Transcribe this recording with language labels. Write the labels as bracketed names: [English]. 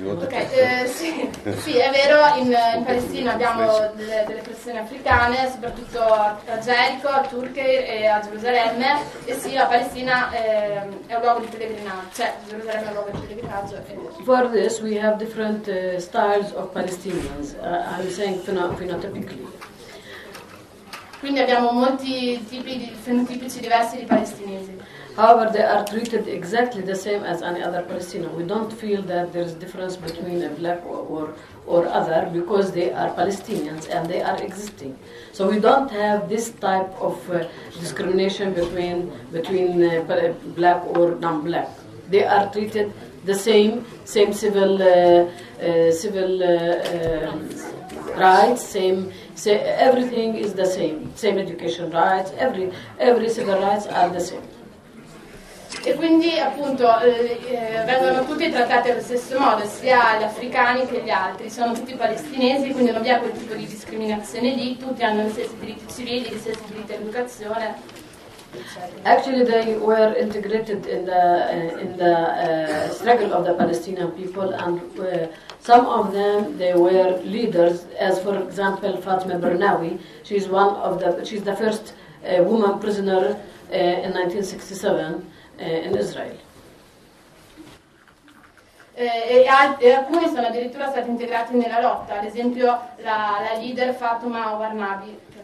[Italian] Sì, è vero, in Palestina abbiamo delle persone africane, soprattutto a Gerico, a Turkey e a Gerusalemme, e sì, la Palestina è un luogo di pellegrinaggio, cioè Gerusalemme è un luogo di pellegrinaggio. [English] For this we have different styles of Palestinians, I'm saying phenotypically. [Italian] Quindi abbiamo molti tipi di fenotipici diversi di palestinesi. [English] However, they are treated exactly the same as any other Palestinian. We don't feel that there is difference between a black or other because they are Palestinians and they are existing. So we don't have this type of discrimination between black or non-black. They are treated the same civil rights, same everything is the same education rights, every civil rights are the same. [Italian] E quindi appunto vengono tutti trattati allo stesso modo, sia gli africani che gli altri, sono tutti palestinesi, quindi non vi è quel tipo di discriminazione lì, tutti hanno gli stessi diritti civili, gli stessi diritti di educazione. [English] Actually they were integrated in the struggle of the Palestinian people, and some of them they were leaders, as for example Fatma Bernawi, she's the first woman prisoner in 1967. In Israel. [Italian] E alcuni sono addirittura stati integrati nella lotta, ad esempio la leader Fatuma Barnabi,